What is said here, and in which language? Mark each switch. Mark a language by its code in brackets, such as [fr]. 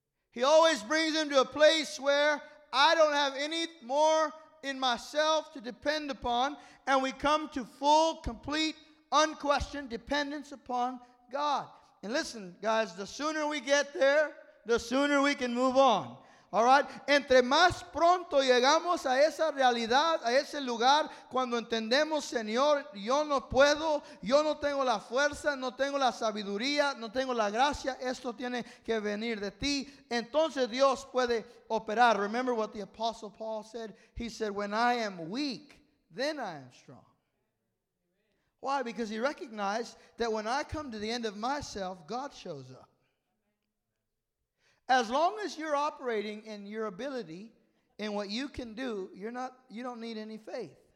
[en] He always brings them to a place where I don't have any more in myself to depend upon, and we come to full, complete, unquestioned dependence upon God. And listen, guys, the sooner we get there, the sooner we can move on. All right? [es] Entre más pronto llegamos a esa realidad, a ese lugar, cuando entendemos, Señor, yo no puedo, yo no tengo la fuerza, no tengo la sabiduría, no tengo la gracia, esto tiene que venir de ti, entonces Dios puede operar. [en] Remember what the Apostle Paul said? He said, when I am weak, then I am strong. Why? Because he recognized that when I come to the end of myself, God shows up. As long as you're operating in your ability and what you can do, you don't need any faith.